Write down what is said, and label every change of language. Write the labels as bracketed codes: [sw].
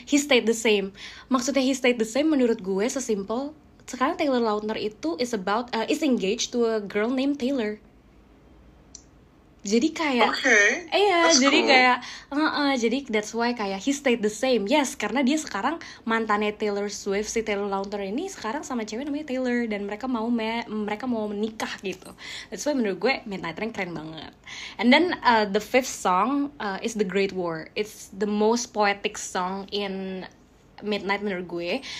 [en] He stayed the same. [id] Maksudnya [en] he stayed the same [id] menurut gue sesimpel, sekarang [en] Taylor Lautner itu is engaged to a girl named Taylor. [id] Jadi kayak, [en] okay, [id] iya, jadi cool. Kayak, jadi [en] that's why kayak he stayed the same. [id] Yes, karena dia sekarang mantannya Taylor Swift, si Taylor Lautner ini sekarang sama cewek namanya Taylor. Dan mereka mau menikah gitu. [en] That's why [id] menurut gue Midnight Rain keren banget. [en] And then the fifth song is The Great War. It's the most poetic song in Midnight [id] menurut gue.